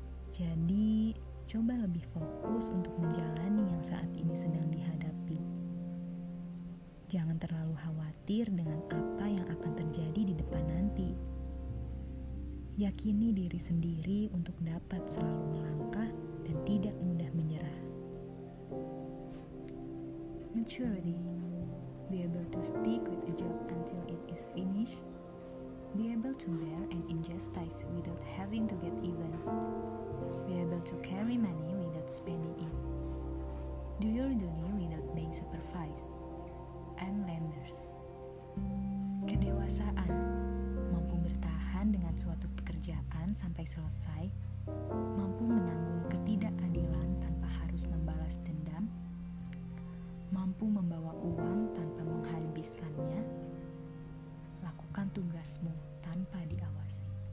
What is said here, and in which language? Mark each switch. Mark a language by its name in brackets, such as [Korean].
[Indonesian] Jadi, coba lebih fokus untuk menjalani yang saat ini sedang dihadapi. Jangan terlalu khawatir dengan apa yang akan terjadi di depan nanti. Yakini diri sendiri untuk dapat selalu melangkah dan tidak mudah menyerah. [English] Maturity. Be able to stick with a job until it is finished. Be able to bear an injustice without having to get even. Be able to carry money without spending it. Do your duty without being supervised. And lenders. Kedewasaan. [Indonesian] Mampu bertahan dengan suatu pekerjaan sampai selesai. Mampu menanggung ketidakadilan tanpa harus membalas dendam. Mampu membawa uang tanpa menghabiskannya. Lakukan tugasmu tanpa diawasi.